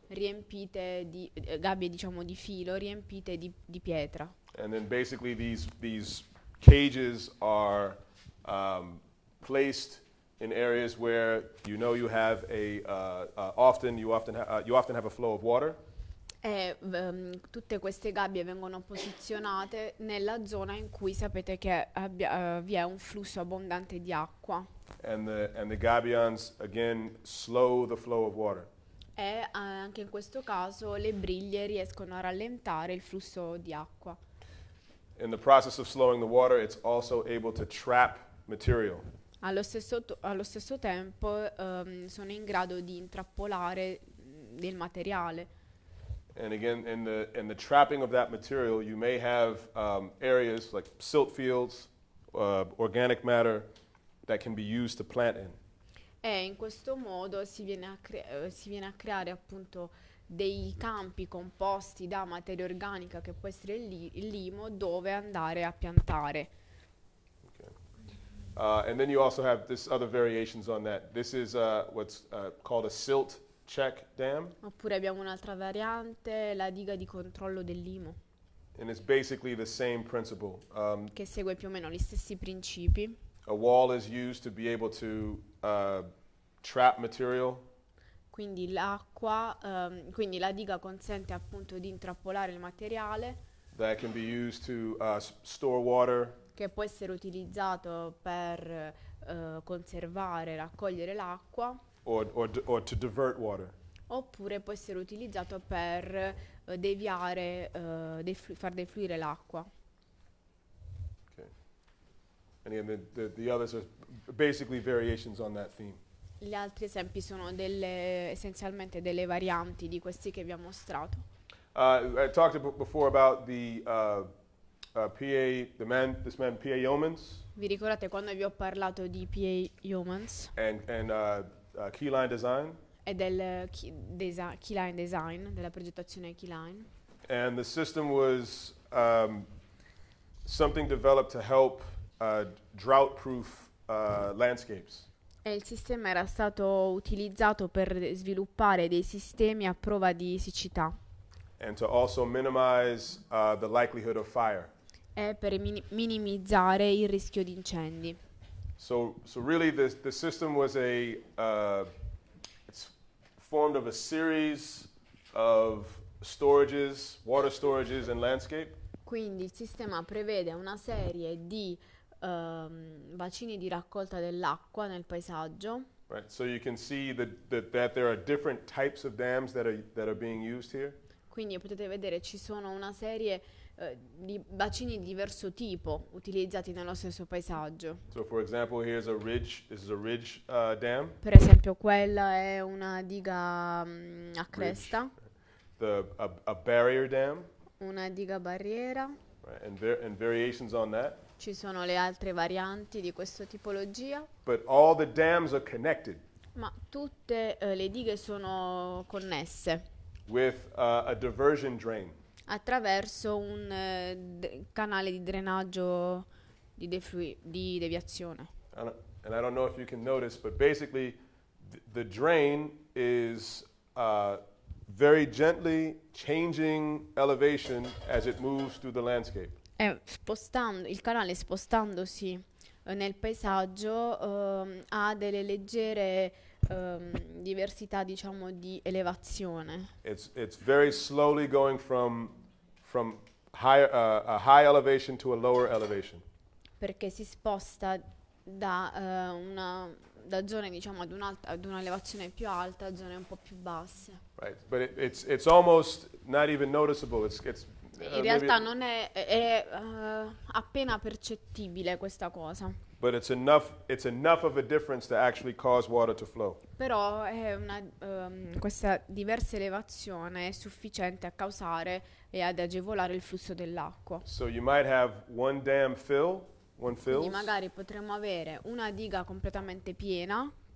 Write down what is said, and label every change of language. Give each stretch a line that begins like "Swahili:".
Italian: Riempite di gabbie, diciamo, di filo, riempite di pietra.
English: And then basically these cages are placed in areas where you know you have a flow of water.
Italian: E tutte queste gabbie vengono posizionate nella zona in cui sapete che vi è un flusso abbondante di acqua.
English: And the gabions again slow the flow of water.
Italian: E anche in questo caso le briglie riescono a rallentare il flusso di acqua.
English: In the process of slowing the water, it's also able to trap material.
Italian: Allo stesso tempo sono in grado di intrappolare del materiale.
English: And again, in the trapping of that material, you may have areas like silt fields, organic matter that can be used to plant in.
Italian: E in questo modo si viene a creare appunto dei campi composti da materia organica che può essere il limo dove andare a piantare.
English: And then you also have this other variations on that. This is what's called a silt check dam.
Italian: Oppure abbiamo un'altra variante, la diga di controllo del limo.
English: And it's basically the same principle.
Italian: Che segue più o meno gli stessi principi.
English: A wall is used to be able to trap material.
Italian: Quindi l'acqua, quindi la diga consente appunto di intrappolare il materiale.
English: That can be used to store water.
Italian: Che può essere utilizzato per conservare, raccogliere l'acqua.
English: Or to divert water.
Italian: Oppure può essere utilizzato per deviare, far defluire l'acqua.
English: Okay. And again, the others are basically variations on that theme.
Italian: Gli altri esempi sono essenzialmente delle varianti di questi che vi ho mostrato.
English: I talked before about this man P.A. Yeomans.
Italian: Vi ricordate quando vi ho parlato di P.A. Yeomans?
English: And key line design.
Italian: E del key line design, della progettazione key line.
English: And the system was something developed to help drought proof landscapes.
Italian: E il sistema era stato utilizzato per sviluppare dei sistemi a prova di siccità.
English: And to also minimize the likelihood of fire.
Italian: E per minimizzare il rischio di incendi.
English: So really the system was it's formed of a series of storages, water storages and landscape.
Italian: Quindi il sistema prevede una serie di bacini di raccolta dell'acqua nel paesaggio.
English: Right, so you can see that there are different types of dams that are being used here.
Italian: Quindi potete vedere ci sono una serie di bacini di diverso tipo utilizzati nello stesso paesaggio.
English: So for example, here's a ridge. This is a ridge dam.
Italian: Per esempio, quella è una diga a cresta.
English: Ridge. A barrier dam.
Italian: Una diga barriera.
English: Right, and variations on that.
Italian: Ci sono le altre varianti di questa tipologia.
English: But all the dams are connected.
Italian: Ma tutte le dighe sono connesse.
English: With a diversion drain.
Italian: Attraverso un canale di drenaggio di deviazione.
English: And I don't know if you can notice, but basically the drain is very gently changing elevation as it moves through the landscape.
Italian: E spostando il canale, spostandosi nel paesaggio, ha delle leggere diversità, diciamo, di elevazione.
English: It's very slowly going from higher a high elevation to a lower elevation.
Italian: Perché si sposta da una zone, diciamo, ad una elevazione più alta a zone un po' più basse.
English: Right, but it's almost not even noticeable. It's
Italian: in realtà non è appena percettibile questa cosa.
English: But it's enough of a difference to actually cause water to flow.
Italian: Però è una questa diversa elevazione è sufficiente a causare e ad agevolare il flusso dell'acqua.
English: So you might have one dam fill, one fills.
Italian: Quindi magari potremmo avere una diga completamente piena.